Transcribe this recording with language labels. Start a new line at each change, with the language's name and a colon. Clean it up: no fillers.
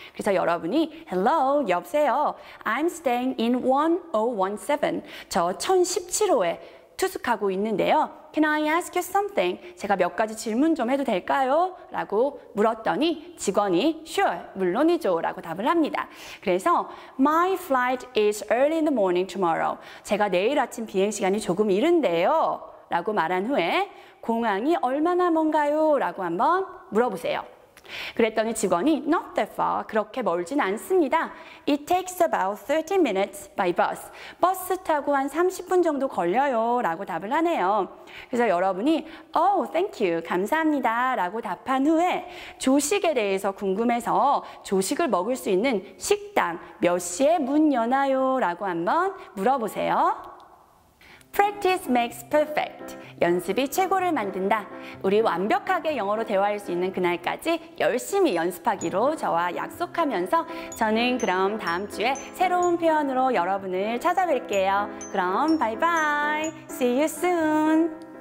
Korean: 그래서 여러분이 Hello, 여보세요?
English: I'm staying in 1017.
Korean: 저 1017호에 투숙하고 있는데요.
English: Can I ask you something?
Korean: 제가 몇 가지 질문 좀 해도 될까요? 라고 물었더니 직원이 Sure, 물론이죠. 라고 답을 합니다.
English: 그래서 My flight is early in the morning tomorrow.
Korean: 제가 내일 아침 비행시간이 조금 이른데요. 라고 말한 후에 공항이 얼마나 먼가요? 라고 한번 물어보세요. 그랬더니 직원이
English: Not that far.
Korean: 그렇게 멀진 않습니다.
English: It takes about 30 minutes by bus.
Korean: 버스 타고 한 30분 정도 걸려요. 라고 답을 하네요. 그래서 여러분이
English: Oh, thank you.
Korean: 감사합니다. 라고 답한 후에 조식에 대해서 궁금해서 조식을 먹을 수 있는 식당 몇 시에 문 여나요? 라고 한번 물어보세요.
English: Practice makes perfect.
Korean: 연습이 최고를 만든다. 우리 완벽하게 영어로 대화할 수 있는 그날까지 열심히 연습하기로 저와 약속하면서 저는 그럼 다음 주에 새로운 표현으로 여러분을 찾아뵐게요. 그럼 바이바이.
English: See you soon.